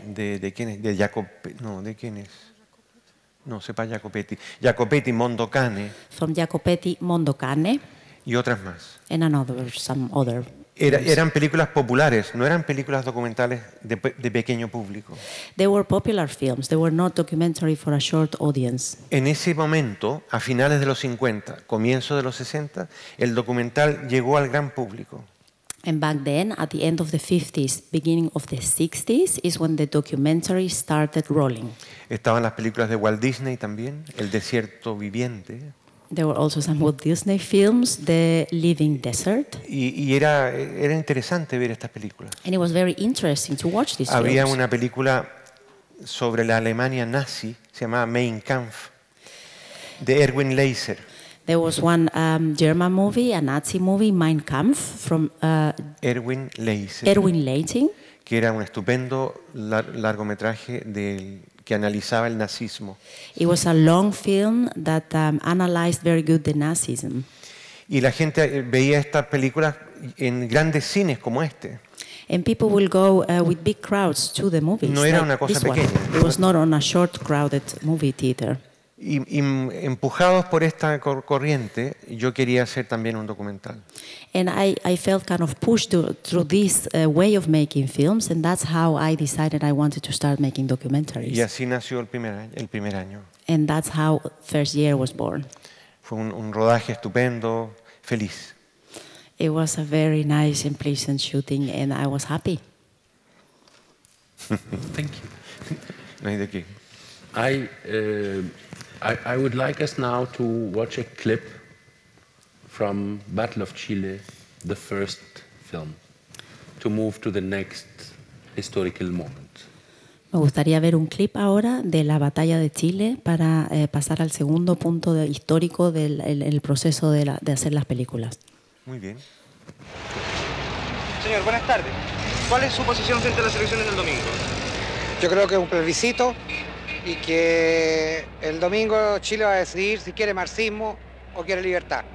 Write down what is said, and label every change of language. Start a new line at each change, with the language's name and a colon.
Spanish: De quién es? De Jacopo, no, de quién es? No sepa Jacopetti. Jacopetti Mondocane.
English: From Jacopetti Mondocane.
Spanish: Y otras más.
English: And another, some other.
Spanish: Eran películas populares, no eran películas documentales de pequeño público.
English: They were popular films. They were not documentary for a short audience.
Spanish: En ese momento, a finales de los 50, comienzo de los 60, el documental llegó al gran público.
English: And back then, at the end of the 50s, beginning of the 60s, is when the documentary started rolling.
Spanish: Estaban las películas de Walt Disney también, El Desierto Viviente.
English: There were also some Walt Disney films, The Living Desert.
Spanish: Y era interesante ver estas películas.
English: And it was very interesting to watch these
Spanish: Había
English: films.
Spanish: Había una película sobre la Alemania nazi, se llamaba Mein Kampf, de Erwin Leiser.
English: There was one German movie, a Nazi movie, Mein Kampf, from Erwin Leiser. Erwin Leiting,
Spanish: que era un estupendo largometraje que analizaba el nazismo.
English: It was a long film that analyzed very good the Nazism.
Spanish: Y la gente veía estas películas en grandes cines como este.
English: And people will go with big crowds to the movies.
Spanish: No era una cosa pequeña.
English: One. It was not on a short crowded movie theater.
Spanish: Y empujados por esta corriente, yo quería hacer también un documental.
English: And I felt kind of pushed through this way of making films, and that's how I decided I wanted to start making documentaries.
Spanish: Y así nació el primer año.
English: And that's how first year was born.
Spanish: Fue un rodaje estupendo, feliz.
English: It was a very nice and pleasant shooting, and I was happy. Thank you.
Spanish: No hay de qué.
English: I I would like us now to watch a clip from Battle of Chile, the first film, to move to the next historical moment.
Spanish: Me gustaría ver un clip ahora de la Batalla de Chile para pasar al segundo punto de histórico del el proceso de, la, de hacer las películas. Muy bien. Señor, buenas tardes. ¿Cuál es su posición frente a las elecciones del domingo? Yo creo que es un plebiscito y que el domingo Chile va a decidir si quiere marxismo o quiere libertad.